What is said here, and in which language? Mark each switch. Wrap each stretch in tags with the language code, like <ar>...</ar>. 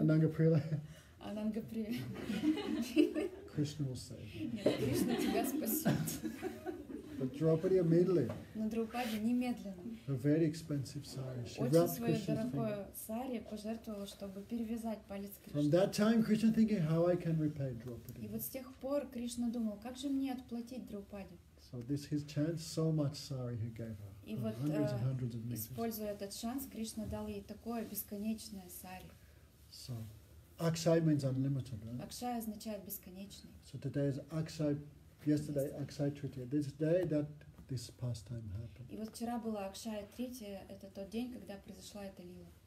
<ru>Ананга-прила. Ананга-прила.</ru> <en>Krishna will save you.</en> <ru>Нет, Кришна тебя спасет.</ru> <en>But Draupadi immediately.</en> <ru>Но Драупади немедленно.</ru> <en>A very expensive sari. She</en> <ru>очень свое дорогое сари пожертвовала, чтобы перевязать палец Кришны.</ru> <en>From that time, Krishna thinking how I can repay Draupadi.</en> <ru>И вот с тех пор Кришна думал, как же мне отплатить Драупади.</ru> <en>So this his chance, so much sari he gave her.</en> <ru>И вот</ru> <en>hundreds and hundreds of meters.</en> <ru>Используя этот шанс, Кришна дал ей такое бесконечное сари.</ru> <en>So, Akshay means unlimited, right?</en> <ru>Akshay означает бесконечный.</ru> <en>So today is Akshay. Yesterday, Akshaya Tritiya. This day that this pastime happened.</en> <ru>И вот вчера была Акшая Тритья. Это тот день, когда произошла эта лила.</ru>